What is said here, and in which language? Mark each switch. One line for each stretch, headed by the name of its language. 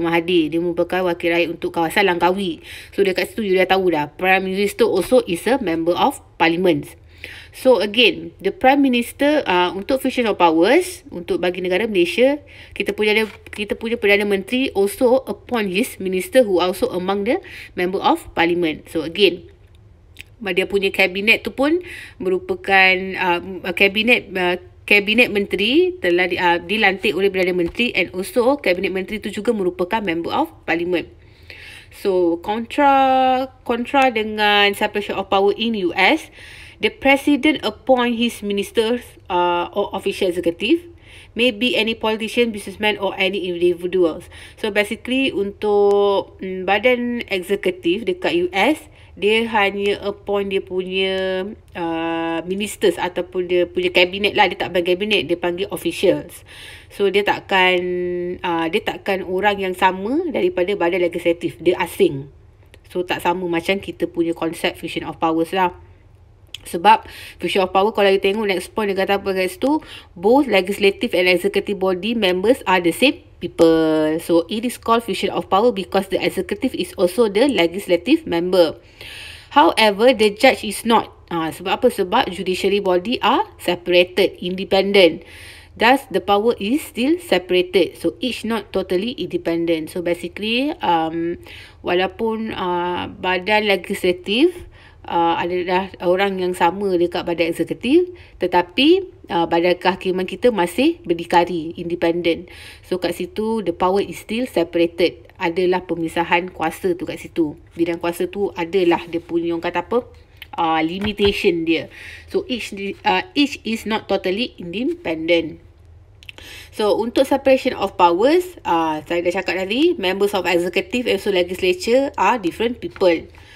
Malay: Mahathir, dia merupakan wakil rakyat untuk kawasan Langkawi.
English: So,
Malay: dekat situ
English: you
Malay: dah tahu dah,
English: Prime Minister also is a member of parliament. So again, the Prime Minister
Malay: untuk
English: fusion of powers
Malay: untuk bagi negara Malaysia, kita punya Perdana Menteri
English: also appoint his minister who also among the member of parliament. So again,
Malay: dia punya cabinet tu pun merupakan cabinet Kabinet Menteri telah dilantik oleh Perdana Menteri,
English: and also
Malay: Kabinet Menteri itu juga merupakan
English: member of parliament. So,
Malay: kontra dengan
English: separation of power in US, the president appoint his ministers or official executive, maybe any politician, businessman or any individuals.
Malay: So basically untuk badan eksekutif dekat US, dia hanya appoint dia punya ministers ataupun dia punya kabinet lah. Dia tak panggil kabinet, dia panggil officials. So dia takkan orang yang sama daripada badan legislatif. Dia asing. So tak sama macam kita punya konsep fusion of powers lah. Sebab
English: fusion of power,
Malay: kalau
English: you
Malay: tengok
English: next point
Malay: dia kata apa kat situ,
English: both legislative and executive body members are the same people. So it is called fusion of power because the executive is also the legislative member. However, the judge is not.
Malay: Sebab apa? Sebab
English: judiciary body are separated, independent. Thus, the power is still separated. So each not totally independent. So basically,
Malay: walaupun badan legislatif adalah orang yang sama dekat badan eksekutif, tetapi badan kehakiman kita masih berdikari, independent.
English: So
Malay: kat situ
English: the power is still separated.
Malay: Adalah pemisahan kuasa tu kat situ. Bidang kuasa tu adalah dia punya orang kata apa, limitation dia.
English: So each is not totally independent. So
Malay: untuk
English: separation of powers,
Malay: saya dah cakap tadi,
English: members of executive and so legislature are different people.